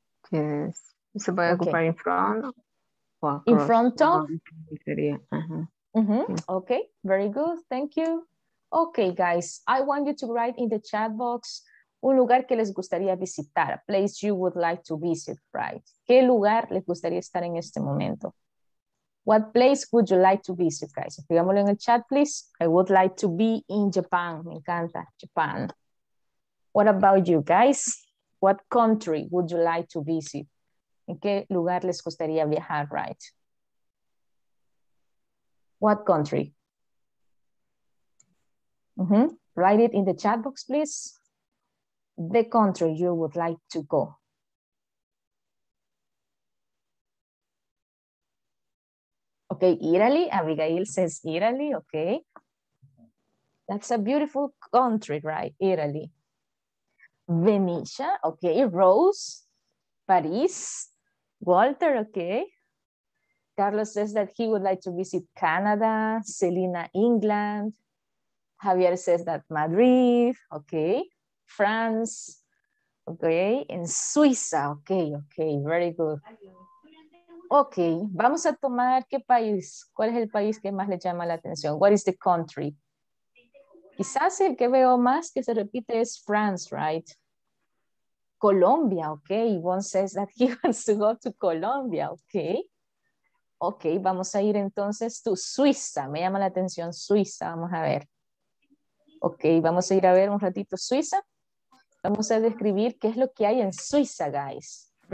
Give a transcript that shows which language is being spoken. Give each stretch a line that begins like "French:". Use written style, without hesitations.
English: Yes.
Spanish: Se puede ocupar
English: okay. In front. O in front of?
Spanish: Sería.
English: Okay, very good. Thank you. Okay, guys. I want you to write in the chat box
Spanish: un lugar que les gustaría visitar.
English: A place you would like to visit, right?
Spanish: ¿Qué lugar les gustaría estar en este momento?
English: What place would you like to visit, guys?
Spanish: Digámoslo en el chat,
English: please. I would like to be in Japan.
Spanish: Me encanta
English: Japan. What about you guys? What country would you like to visit?
Spanish: ¿En qué lugar les gustaría viajar,
English: right? What country? Write it in the chat box, please. The country you would like to go. Okay, Italy, Abigail says Italy, okay. That's a beautiful country, right? Italy. Venetia, okay, Rose, Paris, Walter, okay. Carlos says that he would like to visit Canada, Selena, England. Javier says that Madrid, okay, France, okay, and Suiza, okay, okay, very good.
Spanish: Okay, vamos a tomar, ¿qué país? ¿Cuál es el país que más le llama la atención?
English: What is the country?
Spanish: Quizás el que veo más que se repite es France, right?
English: Colombia, okay. Yvonne says that he wants to go to Colombia, okay.
Spanish: Okay, vamos a ir entonces to Suiza. Me llama la atención Suiza, vamos a ver. Okay, vamos a ir a ver un ratito Suiza. Vamos a describir qué es lo que hay en Suiza, guys.